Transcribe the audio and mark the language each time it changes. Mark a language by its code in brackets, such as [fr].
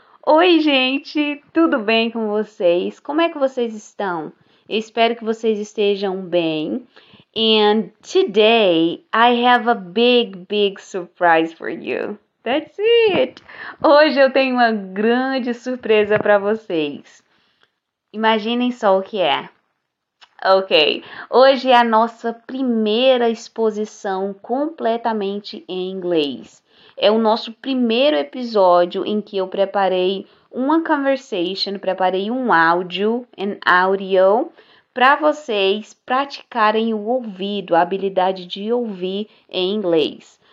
[pt] Oi, gente, tudo bem com vocês? Como é que vocês estão? Eu espero que vocês estejam bem. [en] And today I have a big surprise for you. That's it. [pt] Hoje eu tenho uma grande surpresa para vocês. Imaginem só o que é. Ok, hoje é a nossa primeira exposição completamente em inglês. É o nosso primeiro episódio em que eu preparei uma conversation, preparei um áudio, [en] an audio, [pt] para vocês praticarem o ouvido, a habilidade de ouvir em inglês.